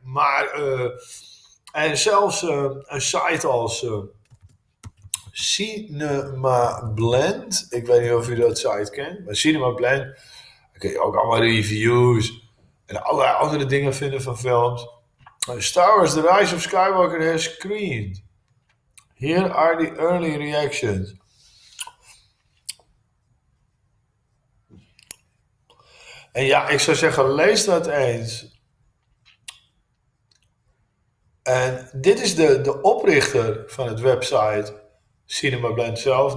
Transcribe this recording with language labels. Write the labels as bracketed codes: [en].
[nl] Maar, en zelfs een site als Cinema Blend, ik weet niet of u dat site kent, maar Cinema Blend, daar kun je ook allemaal reviews en allerlei andere dingen vinden van films. [en] Star Wars The Rise of Skywalker has screened. Here are the early reactions. [nl] En ja, ik zou zeggen, lees dat eens. En dit is de oprichter van het website Cinema Blend zelf.